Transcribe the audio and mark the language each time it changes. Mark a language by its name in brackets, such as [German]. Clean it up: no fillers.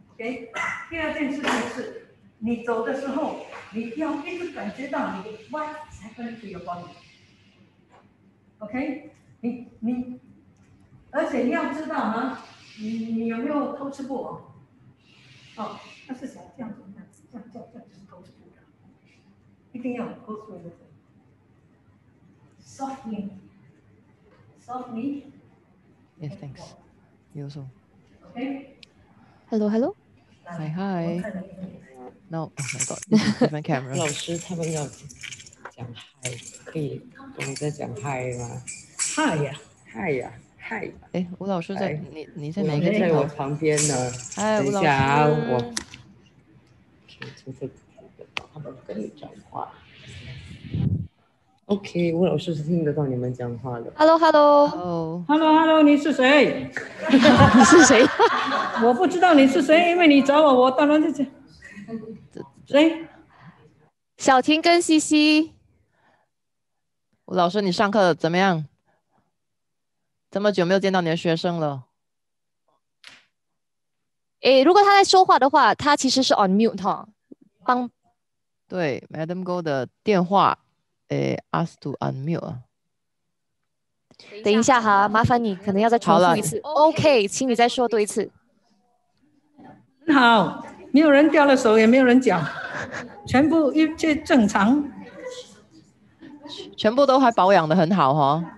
[Chinese] OK， 第二件事情是，你走的时候，你要一直感觉到你的 [English] what's happening to your body。 [Chinese] OK， 你，而且你要知道呢。你有没有偷吃过？哦，那是想这样子，这样就是偷吃过的。一定要 [English] go through it， [Chinese] softly。 [English] Yes, thanks. You also. OK. Hello. Hi, hi. No, oh my god, different camera. [Chinese] 老师他们要讲 hi， 可以我们再讲 hi 吗 [English] ？Hi 呀，Hi 呀。 [Chinese] 哎，吴老师在你在哪个地方？我在我旁边呢。哎，吴老师，我可以从这他们跟你讲话。 OK， 吴老师是听得到你们讲话的。 [English] Hello， [Chinese] 你是谁？你是谁？我不知道你是谁，因为你找我当然是谁。小婷跟西西。吴老师，你上课怎么样？这么久没有见到你的学生了。如果他在说话的话，他其实是 [English] on mute [Chinese] 哈。帮，对 ，Madam Go 的电话， [English] ask to unmute。 [Chinese] 等一下哈，麻烦你，可能要再重复一次。 OK， 请你再说多一次。很好，没有人掉了手，也没有人讲。全部一切正常，全部都还保养得很好哈、哦。